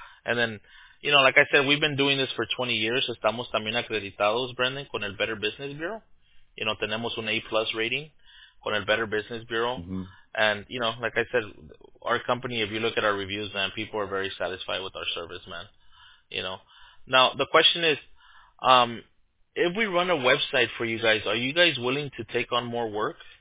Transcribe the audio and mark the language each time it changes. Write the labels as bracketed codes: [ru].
[en] And then, you know, like I said, we've been doing this for 20 years. [es] Estamos también acreditados, Brandon, con el Better Business Bureau. [en] You know, [es] tenemos un A-plus rating con el Better Business Bureau. Mm-hmm. [en] And, you know, like I said, our company, if you look at our reviews, man, people are very satisfied with our service, man. You know? Now, the question is, if we run a website for you guys, are you guys willing to take on more work?